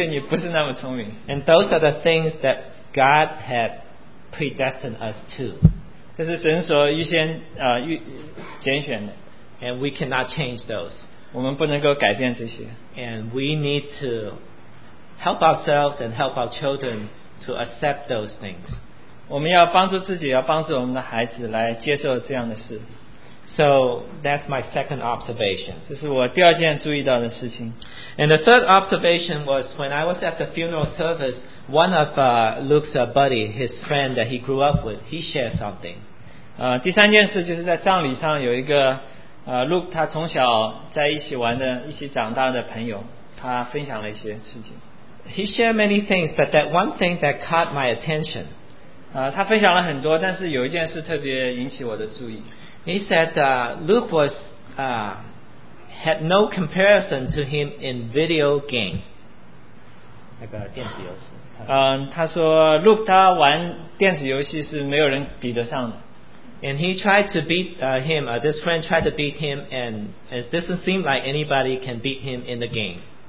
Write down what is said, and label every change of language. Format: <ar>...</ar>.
<en>and those are the things that God had predestined us to.</en> <zh>这是神所预先拣选的。</zh> <en>And we cannot change those.</en> <zh>我们不能够改变这些。</zh> <en>And we need to help ourselves and help our children to accept those things.</en> <zh>我们要帮助自己, 要帮助我们的孩子来接受这样的事。</zh> <en>So that's my second observation.</en> <zh>这是我第二件注意到的事情。</zh> <en>And the third observation was when I was at the funeral service, one of Luke's buddy, his friend that he grew up with, he shared something.</en> <zh>第三件事就是在葬礼上有一个 Luke他从小在一起玩的,一起长大的朋友, 他分享了一些事情。</zh> <en>He shared many things, but that one thing that caught my attention.</en> <zh>他分享了很多, 但是有一件事特别引起我的注意。</zh> <en>He said Luke was had no comparison to him in video games.</en> <zh>那个电子游戏, 他说 Luke他玩电子游戏是没有人比得上的。</zh> <en>And he tried to beat him, this friend tried to beat him, and it doesn't seem like anybody can beat him in the game.</en>